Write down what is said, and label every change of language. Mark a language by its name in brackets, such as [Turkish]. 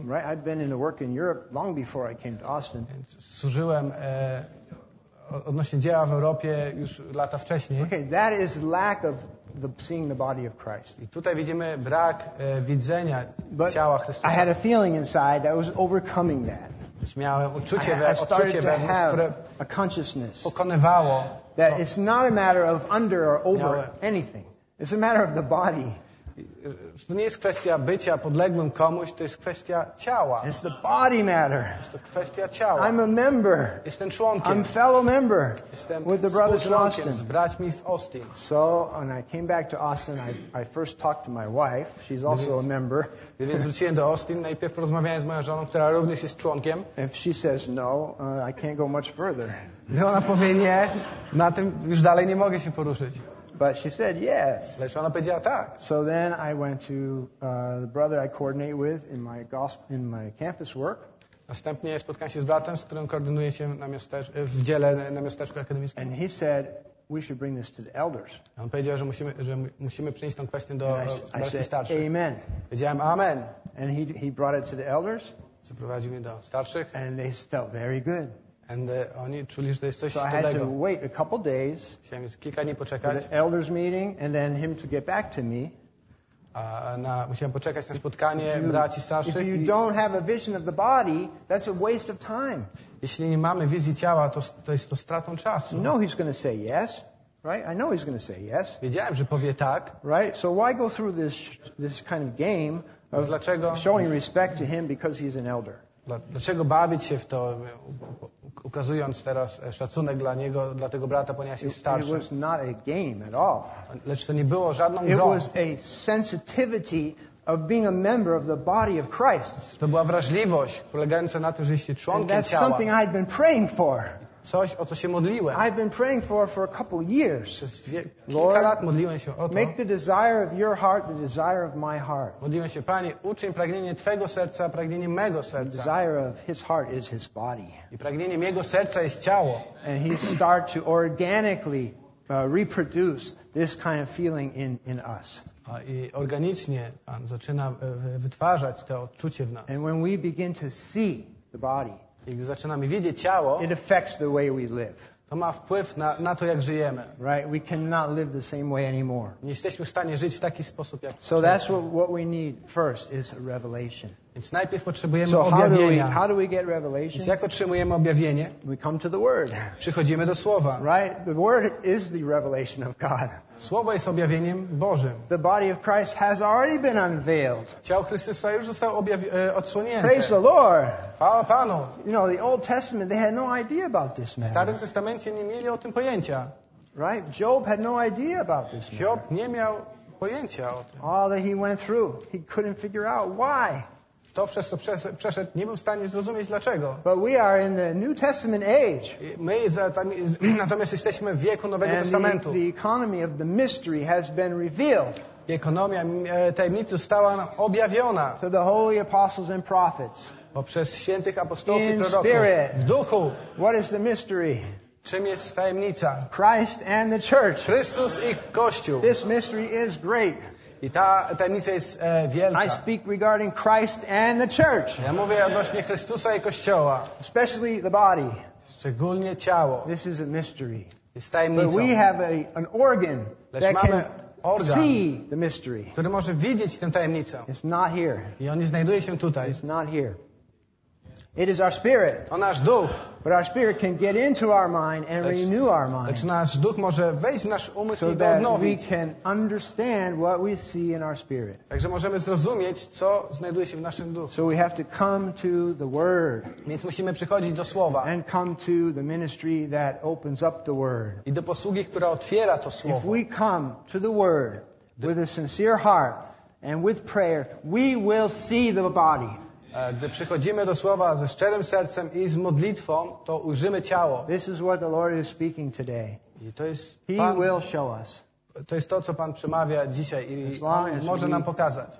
[English] Right, I've been in the work in Europe long before I came to Austin. [Polish] Więc służyłem odnośnie dzieła w Europie już lata wcześniej. [English] Okay, that is lack of seeing the body of Christ. [Polish] I tutaj widzimy brak widzenia ciała Chrystusa. [English] I had a feeling inside that I was overcoming that. [Polish] Miałem uczucie wewnątrz, które pokonywało [English] that it's not a matter of under or over anything. It's a matter of the body. [Polish] To nie jest kwestia bycia podległym komuś, to jest kwestia ciała. [English] It's the body matter. [Polish] Jest to kwestia ciała. [English] I'm a member. [Polish] Jestem członkiem. [English] I'm fellow member. [Polish] Jestem [English] with the brothers in Austin. [Polish] Z braćmi w Austin. [English] So when I came back to Austin, I first talked to my wife. She's also a member. [Polish] Więc wróciłem do Austin, najpierw porozmawiałem z moją żoną, która również jest członkiem. [English] If she says no, I can't go much further. [Polish] Gdy ona powie nie, na tym już dalej nie mogę się poruszyć. [English] But she said yes. [Polish] Lecz ona powiedziała tak. [English] So then I went to the brother I coordinate with in my gospel, in my campus work. [Polish] Następnie spotkałem się z bratem, z którym koordynuję się w dziele na miasteczku akademickim. [English] And he said we should bring this to the elders. [Polish] On powiedział, że musimy przynieść tą kwestię do braci starszych. [English] Amen. [Polish] Powiedziałem amen. [English] And he brought it to the elders. [Polish] Zaprowadził mnie do starszych. [English] And they felt very good. [Polish] And oni czuli, że to jest coś [English] so I had to wait a couple days [Polish] kilka dni poczekać. [English] For the elders meeting and then him to get back to me. [Polish] Musiałem poczekać na spotkanie braci starszych. [English] If you don't have a vision of the body, that's a waste of time. [Polish] Jeśli nie mamy wizji ciała, to jest to stratą czasu. [English] No, he's going to say yes, right? I know he's going to say yes. [Polish] Wiedziałem, że powie tak. [English] Right? So why go through this kind of game of [Polish] dlaczego, [English] showing respect to him because he's an elder? [Polish] Dlaczego bawić się w to? ukazując teraz szacunek dla niego, dla tego brata, ponieważ jest starszy. [English] It was not a game at all. [Polish] Lecz to nie było żadną [English] it [Polish] grą. [English] It was a sensitivity of being a member of the body of Christ. [Polish] To była wrażliwość polegająca na tym, że jesteś członkiem [English] ciała. And that's something I'd been praying for. [Polish] Coś, o co się modliłem. [English] I've been praying for a couple of years. [Polish] Kilka lat modliłem się o to. [English] Make the desire of your heart the desire of my heart. [Polish] Modliłem się, Panie, uczyń pragnienie Twego serca pragnieniem mego serca. [English] The desire of his heart is his body. [Polish] I pragnieniem jego serca jest ciało. [English] And he start to organically reproduce this kind of feeling in us. [Polish] I organicznie on zaczyna wytwarzać to odczucie w nas. [English] And when we begin to see the body, [Polish] i gdy zaczynamy widzieć ciało, [English] it affects the way we live. [Polish] To ma wpływ na to, jak żyjemy. [English] Right? We cannot live the same way anymore. [Polish] Nie jesteśmy w stanie żyć w taki sposób, jak. [English] So that's what we need first is a revelation. [Polish] Więc najpierw potrzebujemy [English] so [Polish] objawienia. [English] How do we get revelation? [Polish] Więc jak otrzymujemy objawienie? [English] We come to the word. [Polish] Przychodzimy do słowa. [English] Right? The word is the revelation of God. [Polish] Słowo jest objawieniem Bożym. [English] The body of Christ has already been unveiled. [Polish] Ciało Chrystusa już zostało odsłonięte. [English] Praise the Lord. [Polish] Chwała Panu. [English] You know, the Old Testament, they had no idea about this man. [Polish] W Starym Testamencie nie mieli o tym pojęcia. [English] Right? Job had no idea about this man. [Polish] Job nie miał pojęcia o tym. [English] All that he went through, he couldn't figure out why. [Polish] To, przez co przeszedł, nie był w stanie zrozumieć dlaczego. [English] But we are in the New Testament age. [Polish] My natomiast jesteśmy w wieku Nowego Testamentu. [English] The economy of the mystery has been revealed. [Polish] Ekonomia tajemnicy została objawiona. [English] To the holy apostles and prophets. [Polish] Poprzez świętych apostołów [English] in [Polish] i proroków. [English] Spirit. [Polish] W duchu. [English] What is the mystery? [Polish] Czym jest tajemnica? [English] Christ and the church. [Polish] Chrystus i Kościół. [English] This mystery is great. [Polish] I ta tajemnica jest wielka. [English] I speak regarding Christ and the church. [Polish] Ja mówię odnośnie Chrystusa i Kościoła. [English] Especially the body. [Polish] Szczególnie ciało. [English] This is a mystery. [Polish] Jest tajemnicą. [English] But we have an organ that can [Polish] organ, [English] see the mystery. [Polish] Który może widzieć tę tajemnicę. [English] It's not here. [Polish] I on nie znajduje się tutaj. [English] It's not here. It is our spirit. [Polish] On nasz duch. [English] But our spirit can get into our mind and renew our mind. [Polish] Lecz nasz duch może wejść w nasz umysł [English] so [Polish] i go odnowić. [English] We can understand what we see in our spirit. [Polish] Także możemy zrozumieć, co znajduje się w naszym duchu. [English] So we have to come to the word. [Polish] Więc musimy przychodzić do słowa. [English] And come to the ministry that opens up the word. [Polish] I do posługi, która otwiera to słowo. [English] If we come to the word with a sincere heart and with prayer, we will see the body. [Polish] Gdy przychodzimy do słowa ze szczerym sercem i z modlitwą, to ujrzymy ciało. [English] This is what the Lord is speaking today. [Polish] I to jest [English] He [Polish] Pan, [English] will show us. [Polish] To jest to, co Pan przemawia dzisiaj i może nam pokazać.